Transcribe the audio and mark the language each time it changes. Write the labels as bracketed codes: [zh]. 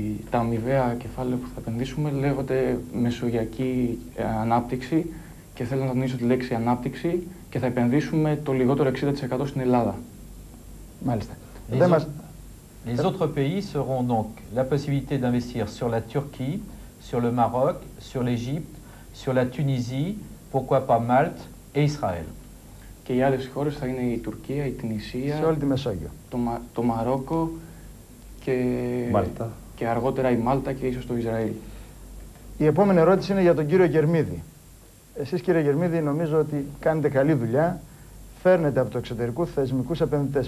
[el] Τα αμοιβαία κεφάλαια που θα επενδύσουμε λέγονται μεσογειακή ανάπτυξη και θέλω να τονίσω τη λέξη ανάπτυξη και θα επενδύσουμε το λιγότερο 60% στην Ελλάδα. Μάλιστα. [fr] Les autres pays seront donc la possibilité d'investir sur la Turquie, sur le Maroc, sur l'Égypte, sur la Tunisie, pourquoi pas Malte et Israël. [el] Και οι άλλες χώρες θα είναι η Τουρκία, η Τουνησία, σε όλη τη Μεσόγειο, το Μαρόκο και, Μάλτα. Και αργότερα η Μάλτα και ίσως το Ισραήλ. Η επόμενη ερώτηση είναι για τον κύριο Γερμίδη. Εσείς κύριε Γερμίδη νομίζω ότι κάνετε καλή δουλειά, φέρνετε από το εξωτερικό θεσμικούς επενδυτές.